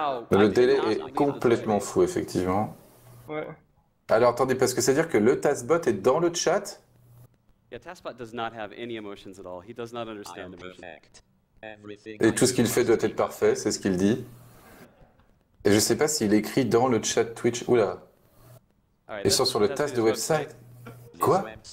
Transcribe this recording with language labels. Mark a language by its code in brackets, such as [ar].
[fr] Le délai est complètement fou, effectivement. Ouais. Alors, attendez, parce que ça veut dire que le Taskbot est dans le chat? [en] Yeah, Taskbot does not have any emotions at all. He does not understand the perfect. [fr] Et tout ce qu'il fait doit être parfait, c'est ce qu'il dit. Et je sais pas s'il écrit dans le chat Twitch. Oula. Ils sont sur le TAS de website. Quoi?